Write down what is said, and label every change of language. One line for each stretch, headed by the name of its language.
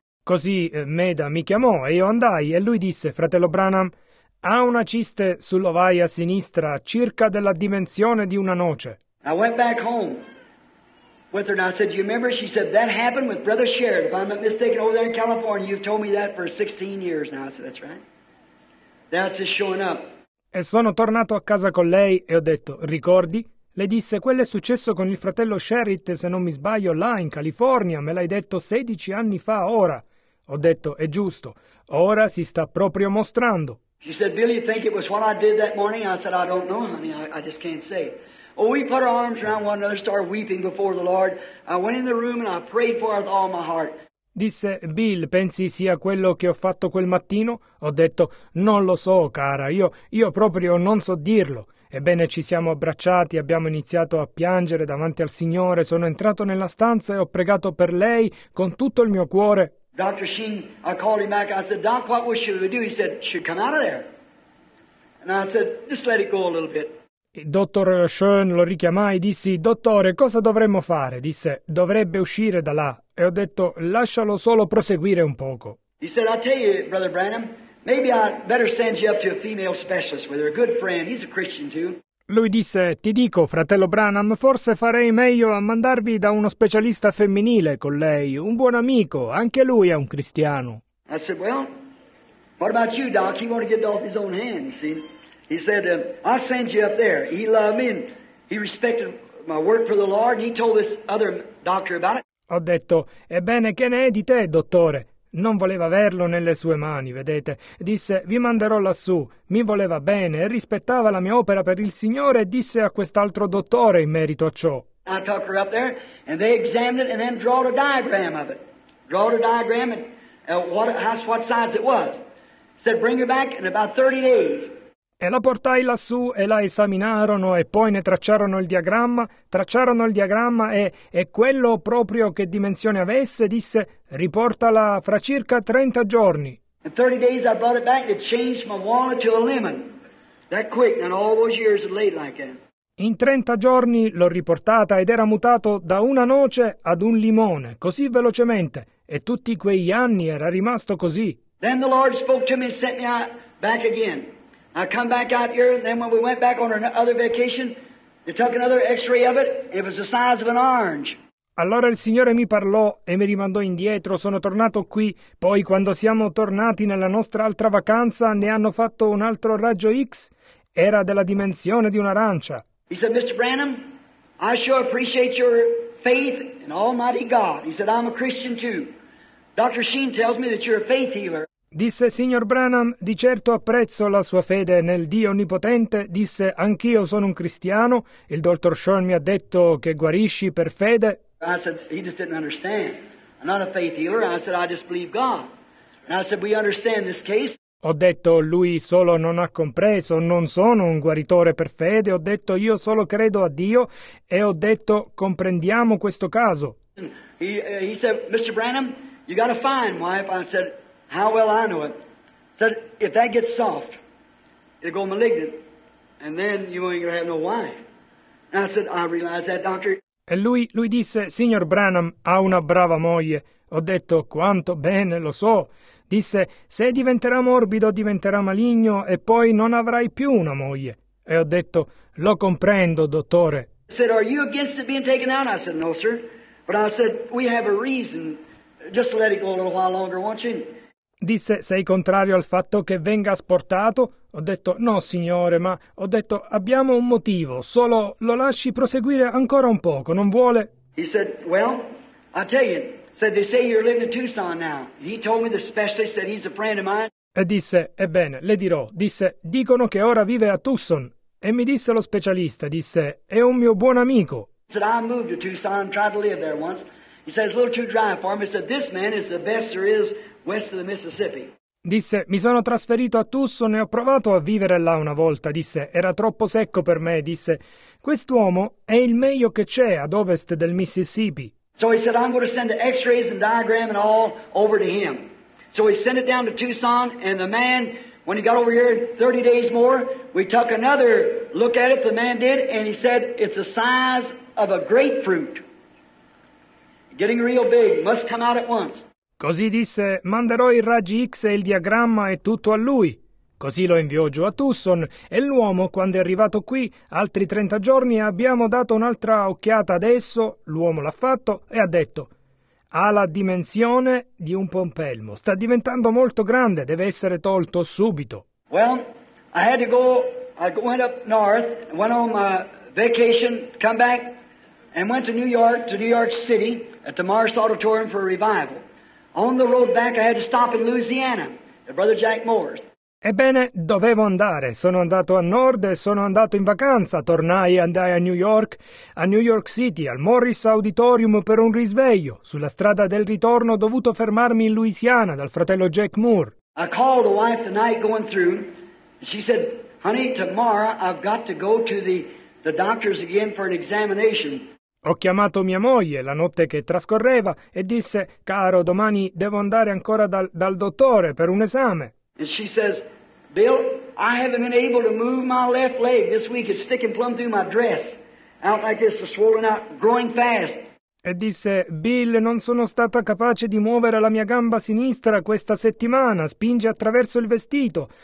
Italian: Così Meda mi chiamò, e io andai, e lui disse, fratello Branham, ha una ciste sull'ovaia sinistra, circa della dimensione di una noce.
English: I went back home with her, and I said, do you remember? She said, that happened with Brother Sherrod, if I'm not mistaken, over there in California. You've told me that for 16 years now. I said, that's right. That's just showing up.
Italian: E sono tornato a casa con lei e ho detto, ricordi? Le disse, quello è successo con il fratello Sherrod, se non mi sbaglio, là in California. Me l'hai detto 16 anni fa, ora. Ho detto, è giusto. Ora si sta proprio mostrando.
English: She said, Bill, you think it was what I did that morning? I said, I don't know, honey. I just can't say. Oh, we put our arms around one another, started weeping before the Lord. I went in the room and I prayed for her with all my heart.
Italian: Disse, Bill, pensi sia quello che ho fatto quel mattino? Ho detto, non lo so, cara, io proprio non so dirlo. Ebbene, ci siamo abbracciati, abbiamo iniziato a piangere davanti al Signore, sono entrato nella stanza e ho pregato per lei con tutto il mio cuore.
English: Dr. Sheen, I called him back, I said, Doc, what should we do? He said, should come out of there. And I said, just let it go a little bit.
Italian: Il dottor Sheen lo richiamai, dissi, dottore, cosa dovremmo fare? Disse, dovrebbe uscire da là. E ho detto, lascialo solo proseguire un poco.
English: He said, I'll tell you, Brother Branham, maybe I'd better send you up to a female specialist with her, a good friend, he's a Christian too.
Italian: Lui disse, ti dico, fratello Branham, forse farei meglio a mandarvi da uno specialista femminile con lei, un buon amico, anche lui è un cristiano.
English: I said, well, what about you, Doc? He wanted to get off his own hand, you see? He said, I'll send you up there. He loved me and he respected my word for the Lord and he told this other doctor about it.
Italian: Ho detto, ebbene, che ne è di te, dottore? Non voleva averlo nelle sue mani, vedete. Disse, vi manderò lassù. Mi voleva bene e rispettava la mia opera per il Signore e disse a quest'altro dottore in merito a ciò.
English: I took her up there and they examined it and then drew a diagram of it. Drew a diagram and what size it was. Said, bring her back in about 30 days.
Italian: E la portai lassù e la esaminarono e poi ne tracciarono il diagramma e quello proprio che dimensione avesse, disse, riportala fra circa 30 giorni.
English: In 30 days I brought it back and it changed from a walnut to a lemon. That quick, and all those years late like that.
Italian: In 30 giorni l'ho riportata ed era mutato da una noce ad un limone, così velocemente, e tutti quegli anni era rimasto così.
English: Then the Lord spoke to me and sent me out back again. I come back out here, and then when we went back on another vacation, they took another x-ray of it, and it was the size of an orange.
Italian: Allora il Signore mi parlò e mi rimandò indietro, sono tornato qui, poi quando siamo tornati nella nostra altra vacanza, ne hanno fatto un altro raggio X, era della dimensione di un'arancia.
English: He said, Mr. Branham, I sure appreciate your faith in Almighty God. He said, I'm a Christian too. Dr. Sheen tells me that you're a faith healer.
Italian: Disse, signor Branham, di certo apprezzo la sua fede nel Dio Onnipotente. Disse, anch'io sono un cristiano. Il dottor Sheen mi ha detto che guarisci per fede.
English: I said, he just didn't understand. I'm not a faith healer. I said, I just believe God. And I said, we understand this case.
Italian: Ho detto, lui solo non ha compreso, non sono un guaritore per fede, ho detto, io solo credo a Dio, e ho detto, comprendiamo questo caso.
English: He said, Mr. Branham, you got a fine wife. I said, how well I know it. He said, if that gets soft, it'll go malignant, and then you ain't gonna have no wife. And I said, I realize that, doctor.
Italian: E lui disse, signor Branham ha una brava moglie. Ho detto, quanto bene, lo so. Disse, se diventerà morbido, diventerà maligno e poi non avrai più una moglie. E ho detto, lo comprendo, dottore.
English: Said, are you against it being taken out? I said, no, sir. But I said, we have a reason. Just let it go a little while longer, won't you?
Italian: Disse, sei contrario al fatto che venga asportato? Ho detto, no, signore, ma ho detto, abbiamo un motivo. Solo lo lasci proseguire ancora un poco, non vuole?
English: He said, well, I tell you. Said they say you're living in Tucson now. He told me the specialist said he's a friend of mine.
Italian: E disse, ebbene, le dirò. Disse, dicono che ora vive a Tucson. E mi disse lo specialista, disse, è un mio buon amico.
English: Said I moved to Tucson and tried to live there once. He said it's a little too dry for me. Said this man is the best there is west of the Mississippi.
Italian: Disse, mi sono trasferito a Tucson e ho provato a vivere là una volta. Disse, era troppo secco per me. Disse, quest'uomo è il meglio che c'è ad ovest del Mississippi.
English: So he said, I'm going to send the x-rays and diagram and all over to him. So he sent it down to Tucson, and the man, when he got over here, 30 days more, we took another look at it, the man did, and he said, it's the size of a grapefruit. Getting real big, must come out at once.
Italian: Così disse, manderò i raggi X e il diagramma e tutto a lui. Così lo inviò giù a Tucson, e l'uomo, quando è arrivato qui, altri 30 giorni, abbiamo dato un'altra occhiata adesso, l'uomo l'ha fatto, e ha detto, ha la dimensione di un pompelmo, sta diventando molto grande, deve essere tolto subito.
English: Well, I had to go, I went up north, went on my vacation, come back, and went to New York City, at the Mars Auditorium for a revival. On the road back, I had to stop in Louisiana, at Brother Jack Moore's.
Italian: Ebbene, dovevo andare. Sono andato a nord e sono andato in vacanza. Tornai e andai a New York City, al Morris Auditorium per un risveglio. Sulla strada del ritorno ho dovuto fermarmi in Louisiana dal fratello Jack Moore.
English: I called the wife the night going through. She said, honey, tomorrow I've got to go to the doctors again for an examination.
Italian: Ho chiamato mia moglie la notte che trascorreva e disse, caro, domani devo andare ancora dal dottore per un esame.
English: And she says, Bill, I haven't been able to move my left leg this week. It's sticking plumb through my dress. Out like this, swollen out, growing fast.
Italian: E disse, Bill, non sono stata capace di muovere la mia gamba sinistra questa settimana. Spinge attraverso il vestito.